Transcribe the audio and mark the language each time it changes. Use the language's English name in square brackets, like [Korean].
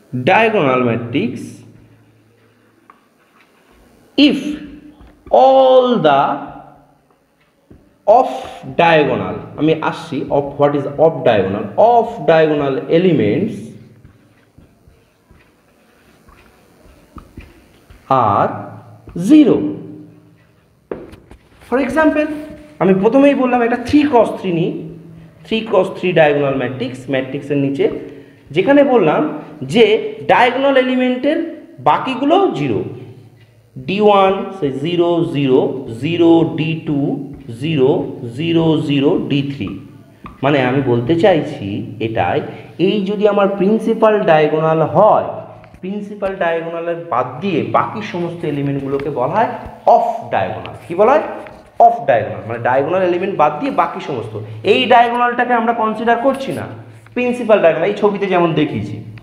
[English] diagonal matrix if all the off diagonal, [Bangla] আমি আসছি [English] Off, what is off diagonal, off diagonal elements are zero. [Bangla] For example আমি প্রথমেই বললাম একটা three cross three নিই, 3×3 diagonal matrix, matrix এর নিচে যেখানে বললাম যে diagonal element এর বাকিগুলো 0, D1 say 0, 0, 0, D2, 0, 0, 0, D3. মানে আমি বলতে চাইছি এটাই, এই যদি আমার principal diagonal হয়, principal diagonal এর বাদ দিয়ে বাকি সমস্ত element গুলোকে বলা হয় off diagonal. কি বলা হয়? অফ ডায়াগোনাল, মানে ডায়াগোনাল এলিমেন্ট বাদ দিয়ে বাকি সমস্ত, এই ডায়াগোনালটাকে আমরা কনসিডার করছি না, প্রিন্সিপাল ডায়াগোনাল এই ছবিতে যেমন দেখিয়েছি।